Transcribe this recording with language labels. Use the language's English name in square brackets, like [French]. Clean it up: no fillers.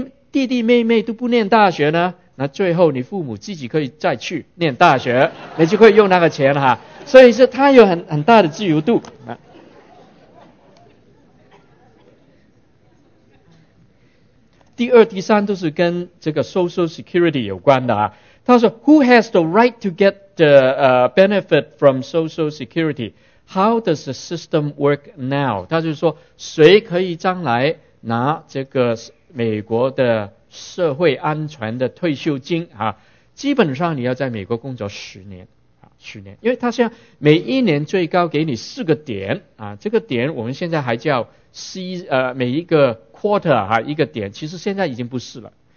[Chinese] 弟弟妹妹都不念大学呢，那最后你父母自己可以再去念大学，你就可以用那个钱了哈。所以是他有很大的自由度啊。第二第三都是跟这个 social security 有关的啊。他说 [English] who has the right to get the benefit from social security? How does the system work now? [Chinese] 他就是说谁可以将来拿这个美国的社会安全的退休金啊，基本上你要在美国工作十年，因为他现在每一年最高给你4个点啊，这个点我们现在还叫 每一个quarter 啊，一个点，其实现在已经不是了。